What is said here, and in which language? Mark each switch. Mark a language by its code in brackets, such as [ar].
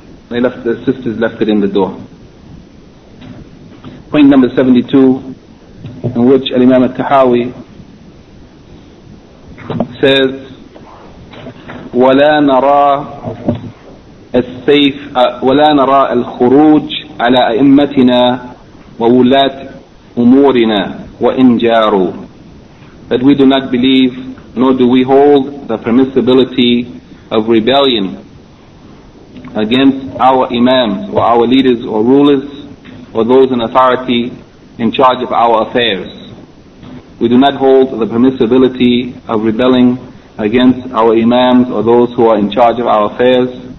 [en] They left, the sisters left it in the door. [ar] Point number 72, in which Al-Imam al-Tahawi says, وَلَا نَرَى السَّيْفِ وَلَا نَرَى الْخُرُوجِ عَلَىٰ أَئِمَّتِنَا وَوُلَاتِ أُمُورِنَا وَإِنْ جَارُوا. [en] That we do not believe, nor do we hold, the permissibility of rebellion against our imams or our leaders or rulers or those in authority in charge of our affairs. We do not hold the permissibility of rebelling against our imams or those who are in charge of our affairs.